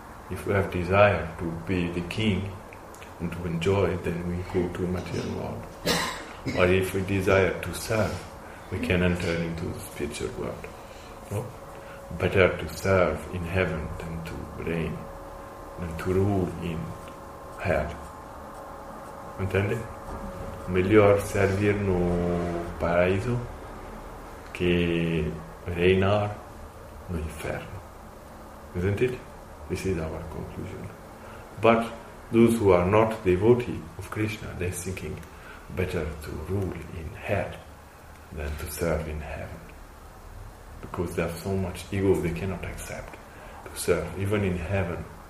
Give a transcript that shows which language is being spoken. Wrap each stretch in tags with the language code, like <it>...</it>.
<en>If we have desire to be the king and to enjoy, then we go to material world. Or if we desire to serve, we can enter into the spiritual world. No? Better to serve in heaven than to reign, than to rule in hell.</en> <pt>Entende? Melhor servir no paraíso que reinar no inferno.</pt> <en>Isn't it? This is our conclusion. But those who are not devotees of Krishna, they're thinking, better to rule in hell than to serve in heaven. Because they have so much ego they cannot accept to serve, even in heaven.</en>